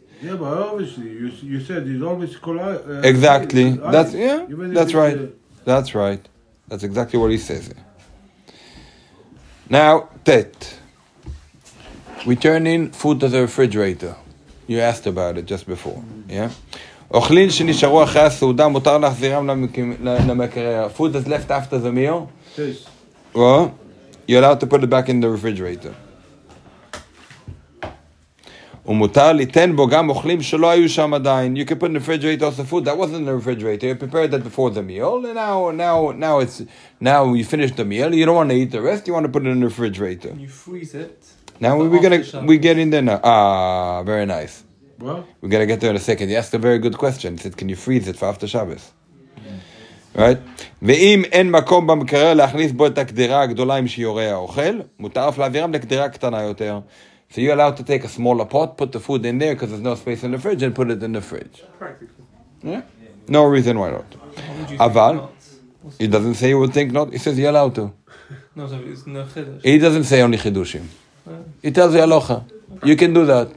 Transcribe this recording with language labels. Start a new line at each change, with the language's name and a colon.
English: yeah, but obviously you said it's always cold, exactly ice. That's, yeah, that's right, that's right, that's exactly what he says. Now Tet, we turn in food to the refrigerator. You asked about it just before. Yeah.
Hebrew: אוכלים שנשארו אחרי הסעודה מותר להחזירם למקרר.
English: Food is left after the meal. Yes. Well, you're allowed to put it back in the refrigerator.
Hebrew: ומותר ליתן בו גם אוכלים שלא היו שם עדיין.
English: You can put in the refrigerator also food that wasn't in the refrigerator. You prepared that before the meal. And now you finished the meal. You don't want to eat the rest. You want to put it in the refrigerator. Can you freeze it? Now we get in there now. Ah, very nice. Well, we're going to get there in a second. He asked a very good question. He said, can you freeze it for after Shabbos? Right?
Hebrew: ואם אין מקום במקרר להכניס בו את הקדירה הגדולה עם שיורי האוכל, מותר אף להעבירם לקדירה קטנה יותר.
English: So you're allowed to take a smaller pot, put the food in there, because there's no space in the fridge, and put it in the fridge. Practically. Yeah? No reason why not.
Hebrew: אבל,
English: he doesn't say you would think not, he says you're allowed to. No, it's no
Hebrew: חידוש.
English: He doesn't say only חידושים. He tells you aloha. You can do that.